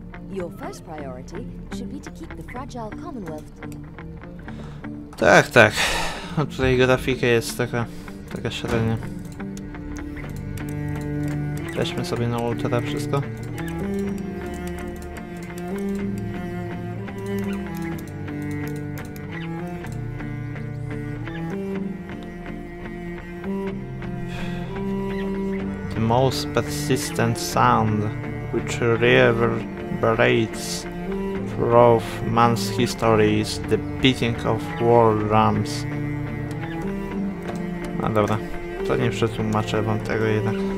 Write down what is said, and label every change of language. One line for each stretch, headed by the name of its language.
English: Your first priority should be to keep the fragile Commonwealth.
Polish: Tak, tak. A tutaj grafika jest taka średnia. Weźmy sobie na ultra wszystko.
English: Most persistent sound which reverberates throughout man's history is the beating of war drums.
Polish: No dobra, to nie przetłumaczę wam tego jednak.